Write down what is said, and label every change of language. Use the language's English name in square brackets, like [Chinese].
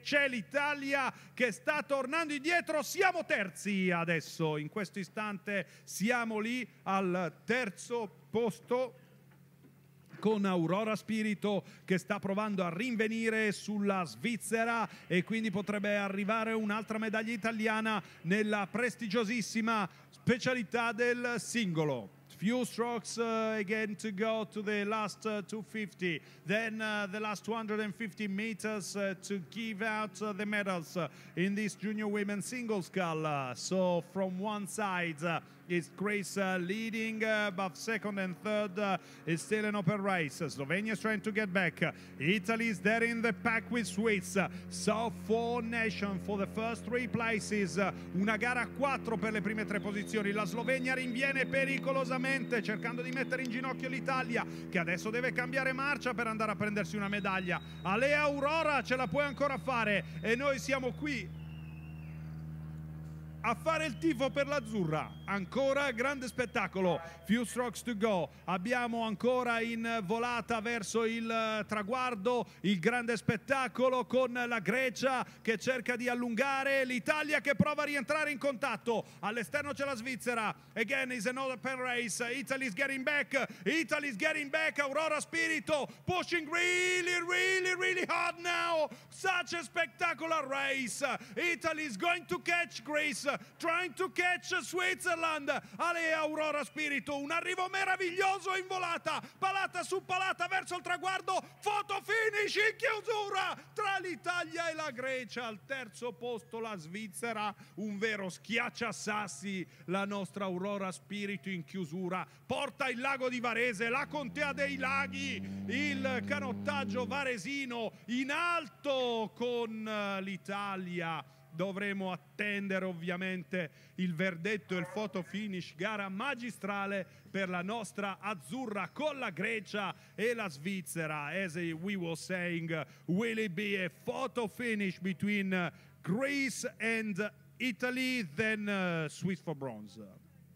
[Italian] C'è l'Italia che sta tornando indietro, siamo terzi adesso, in questo istante siamo lì al terzo posto con Aurora Spirito che sta provando a rinvenire sulla Svizzera, e quindi potrebbe arrivare un'altra medaglia italiana nella prestigiosissima specialità del singolo. [English] Few strokes again to go to the last 250, then the last 250 meters to give out the medals in this junior women's singles call. So from one side is Greece leading, but second and third is still an open race. Slovenia is trying to get back. Italy is there in the pack with Swiss. So four nations for the first three places. [Italian] Una gara a quattro per le prime tre posizioni. La Slovenia rinviene pericolosamente, cercando di mettere in ginocchio l'Italia, che adesso deve cambiare marcia per andare a prendersi una medaglia. Ale Aurora, ce la puoi ancora fare, e noi siamo qui a fare il tifo per l'azzurra. Ancora grande spettacolo, [English] few strokes to go, [Italian] abbiamo ancora in volata verso il traguardo il grande spettacolo con la Grecia che cerca di allungare, l'Italia che prova a rientrare in contatto. All'esterno c'è la Svizzera, [English] again is another open race. Italy's getting back. Aurora Spirito pushing really really really hard now, such a spectacular race. Italy's going to catch Greece, trying to catch Switzerland. [Italian] Ale Aurora Spirito, un arrivo meraviglioso in volata, palata su palata verso il traguardo, photo finish in chiusura tra l'Italia e la Grecia. Al terzo posto la Svizzera, un vero schiacciasassi la nostra Aurora Spirito in chiusura. Porta il lago di Varese, la contea dei laghi, il canottaggio varesino in alto con l'Italia. Dovremo attendere ovviamente il verdetto e il photo finish, gara magistrale per la nostra azzurra con la Grecia e la Svizzera. [English] As we were saying, will it be a photo finish between Greece and Italy, then Swiss for bronze?